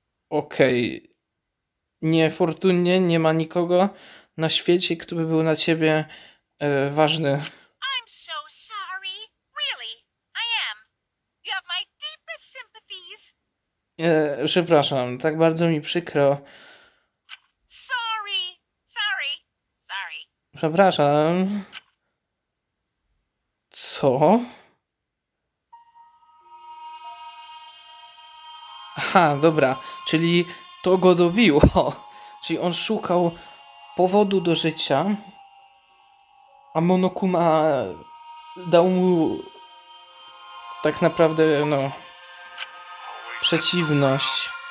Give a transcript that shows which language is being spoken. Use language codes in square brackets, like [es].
[pl] Okej. Niefortunnie nie ma nikogo na świecie, kto by był na ciebie ważny. [en] I'm so sorry. Really, I am. You have my deepest sympathies. [pl] Przepraszam, tak bardzo mi przykro. [en] Sorry. Sorry. Sorry. [pl] Przepraszam. Co? Aha, dobra, czyli to go dobiło. Czyli on szukał powodu do życia, a Monokuma dał mu tak naprawdę, no, przeciwność.